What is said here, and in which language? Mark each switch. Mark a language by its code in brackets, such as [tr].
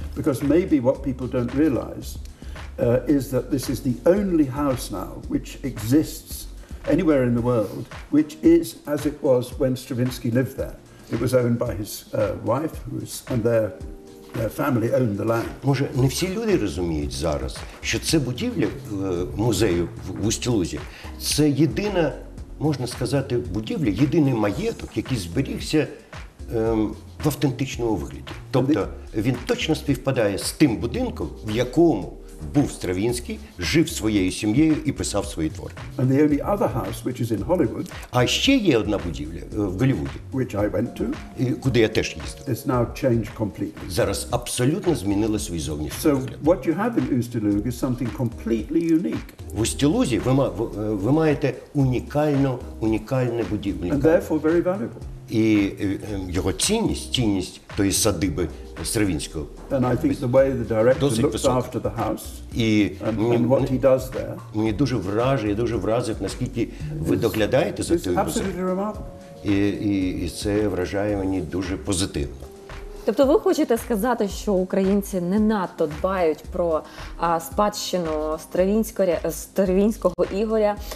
[en] Because maybe what people don't realize is that this is the only house now which exists anywhere in the world which is as it was when Stravinsky lived there. It was owned by his wife who was, and their family owned the land. [uk] Може, не всі люди розуміють зараз, що це будівля музею в Устілузі це єдина, можна сказати, будівля, єдиний маєток, який зберігся в автентичному вигляді. Тобто він точно співпадає з тим будинком, в якому був Стравінський, жив своєю сім'єю і писав свої твори. [en] And the only other house, which is in Hollywood, [uk] а ще є одна будівля в Голлівуді, [en] which I went to, [uk] куди я теж їздив. [en] It's now changed completely. [uk] Зараз абсолютно змінили свій зовнішній вигляд. [en] So what you have in Ustilug is something completely unique. [uk] В Устілузі ви маєте унікальну будівлю. [en] And therefore very valuable. [uk] І його цінність тої садиби Стравінського. [en] And I think the way the director looks after the house and what he does there. [uk] Мені дуже вражає, дуже вразив, наскільки ви доглядаєте за цією будівлею. І це вражає мені дуже позитивно. Тобто ви хочете сказати, що українці не надто дбають про спадщину Стравінського Ігоря?